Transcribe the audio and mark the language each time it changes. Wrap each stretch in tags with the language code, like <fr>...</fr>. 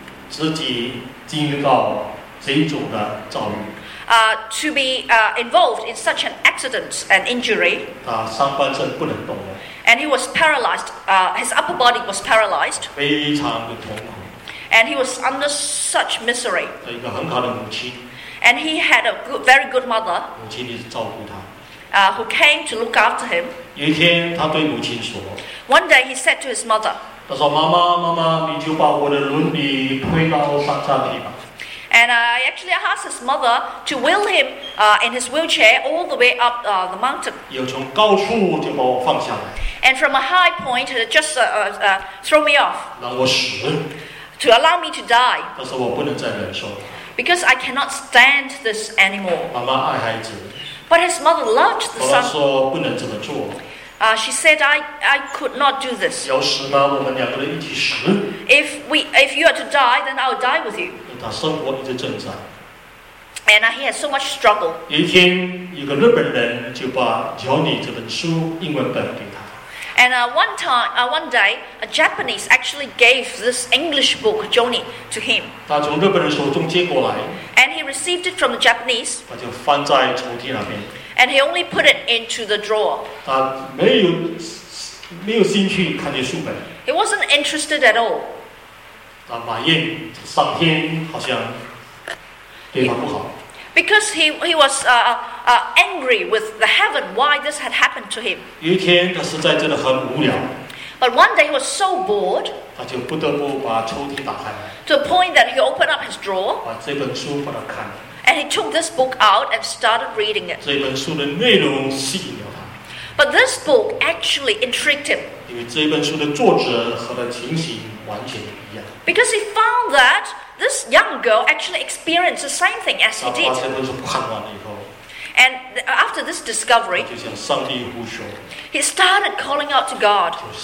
<zh>自己经历到这种的遭遇</zh> <en>to be involved in such an accident and injury,</en> <zh>他上半身不能动了</zh> <en>and he was paralyzed. His upper body was paralyzed.</en> <zh>非常的痛苦。</zh> <en>And he was under such misery.</en> <zh>一个很好的母亲。</zh> <en>And he had a good, very good mother.</en> <zh>母亲一直照顾他。</zh> <en>Who came to look after him.</en> <zh>有一天，他对母亲说。</zh> <en>One day he said to his mother.</en> <zh>他说：“妈妈，妈妈，你就把我的轮椅推到山上去吧。”</zh> <en>And he actually asked his mother to wheel him in his wheelchair all the way up the mountain.</en> <zh>又从高处就把我放下来。</zh> <en>And from a high point, just throw me off.</en> <zh>让我死。</zh> <en>To allow me to die.</en> <zh>但是我不能再忍受。</zh> <en>Because I cannot stand this anymore.</en> <zh>妈妈爱孩子。</zh> <en>But his mother loved the son.</en> <zh>妈妈说不能这么做。</zh> <en>She said I could not do this.</en> <zh>要死吗？我们两个人一起死。</zh> <en>If you are to die, then I will die with you.</en> <zh>他生活一直挣扎。</zh> <en>And he had so much struggle.</en> <zh>有一天，一个日本人就把《Johnny》这本书英文本给他。</zh> <en>And one day, a Japanese actually gave this English book, Johnny, to him.</en> <zh>他从日本人手中接过来。</zh> <en>And he received it from the Japanese.</en> <zh>他就放在抽屉那边。</zh> <en>And he only put it into the drawer.</en> <zh>他没有兴趣看这书本。</zh> <en>He wasn't interested at all.</en> <zh>他埋怨上天好像对他不好。</zh> <en>Because he was angry with the heaven, why this had happened to him.</en> <zh>有一天，他实在真的很无聊。</zh> <en>But one day he was so bored.</en> <zh>他就不得不把抽屉打开。</zh> <en>To the point that he opened up his drawer.</en> <zh>把这本书把它看。</zh> <en>And he took this book out and started reading it.</en> <zh>这本书的内容吸引了他。</zh> <en>But this book actually intrigued him.</en> <zh>因为这本书的作者和他情形完全一样。</zh> <en>Because he found that. This young girl actually experienced the same thing as he did. And after this discovery, he started calling out to God.</en>